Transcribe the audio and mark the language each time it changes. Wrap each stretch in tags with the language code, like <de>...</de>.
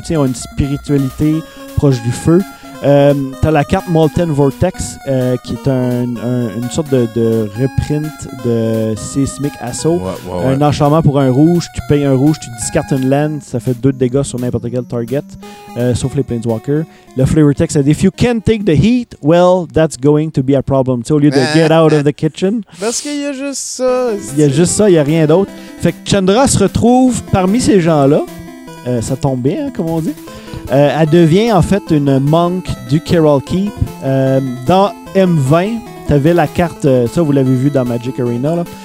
<fr>T'sais, ils ont une spiritualité proche du feu. T'as la carte Molten Vortex qui est une sorte de reprint de Seismic Assault. Ouais, ouais, ouais. Un enchantement pour un rouge, tu payes un rouge, tu discartes une land, ça fait 2 de dégâts sur n'importe quel target, sauf les Planeswalkers. Le</fr> <en>Flavor Text said, if you can't take the heat, well, that's going to be a problem.</en> <fr>T'sais, au lieu de</fr> <en>get out of the kitchen.</en> <fr>Parce qu'il y a juste ça. Il y a juste ça, il n'y a rien d'autre. Fait que Chandra se retrouve parmi ces gens-là. Ça tombe bien, hein, comme on dit. Elle devient en fait une monk du Carol Keep. Dans M20, tu avais la carte, ça vous l'avez vu dans Magic Arena, là.</fr>